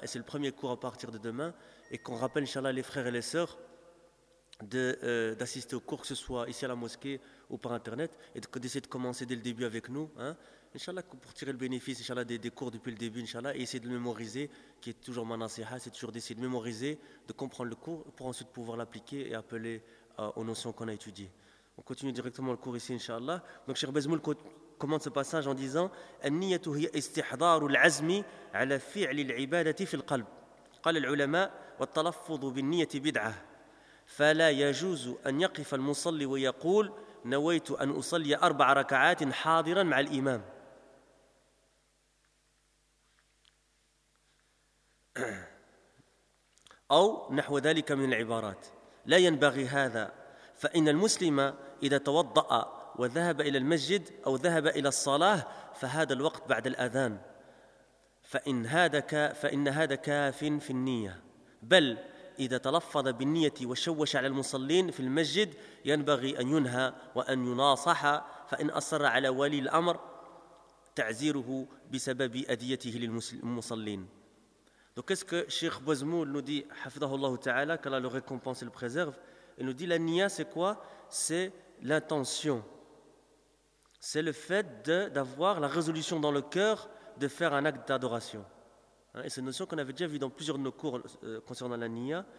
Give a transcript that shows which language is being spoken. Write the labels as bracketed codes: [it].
[fr] Et c'est le premier cours à partir de demain, et qu'on rappelle, inshallah, les frères et les sœurs, d'assister au cours, que ce soit ici à la mosquée ou par internet, et d'essayer de commencer dès le début avec nous, hein, inshallah, pour tirer le bénéfice, inshallah, des cours depuis le début, inshallah, et essayer de mémoriser, qui est toujours manasiha, c'est toujours d'essayer de mémoriser, de comprendre le cours pour ensuite pouvoir l'appliquer et appeler aux notions qu'on a étudiées. On continue directement le cours ici, Inch'Allah. Donc, Cheikh Bezmoul commence ce passage en disant [ar] « النيّة هي استحضار العزم على فعل العبادة في القلب. قال العلماء والتلفظ بالنية بدعة. فلا يجوز أن يقف المصلي ويقول نويت أن أصلي أربع ركعات حاضرا مع الإمام. أو نحو ذلك من العبارات. لا ينبغي هذا. فإن المسلم إذا توضأ وذهب إلى المسجد أو ذهب إلى الصلاة فهذا الوقت بعد الأذان فإن هذا كاف في النية. بل إذا تلفظ بالنية وشوش على المصلين في المسجد ينبغي أن ينهى وأن يناصح، فإن أصر على ولي الأمر تعزيره بسبب أذيته للمصلين. [fr] Donc qu'est-ce que Cheikh Bezmoul nous dit, hafidhahullah ta'ala, qu'Allah le récompense et le préserve. Il nous dit la niya c'est quoi? C'est l'intention. C'est le fait d'avoir la résolution dans le cœur de faire un acte d'adoration. Hein, et c'est une notion qu'on avait déjà vue dans plusieurs de nos cours concernant la niya.